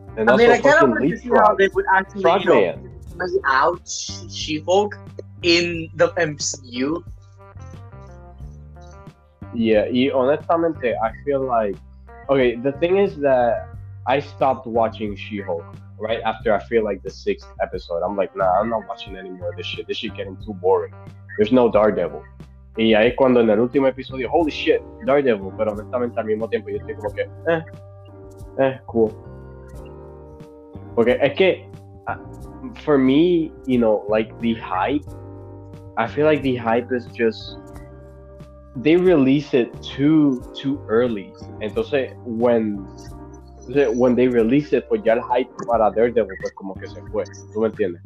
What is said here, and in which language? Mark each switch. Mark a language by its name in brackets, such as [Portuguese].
[English] And also fucking Leapfrog. I mean, I kind of want to see how they would actually play out She-Hulk in the MCU. Yeah, [Spanish] honestamente, [English] I feel like... Okay, the thing is that... I stopped watching She-Hulk right after I feel like the 6th episode. I'm like, nah, I'm not watching anymore of this shit. This shit getting too boring. There's no Daredevil. [Spanish] Y ahí cuando en el último episodio, [English] holy shit, [Spanish] Daredevil. Pero honestamente al mismo tiempo yo estoy como que, [English] cool. [Spanish] Porque es que, [English] for me, you know, like the hype, I feel like the hype is just... They release it too early. [Spanish] Entonces, [English] when they release it, [Spanish] pues ya el hype para Daredevil pues como que se fue. ¿Tú me entiendes?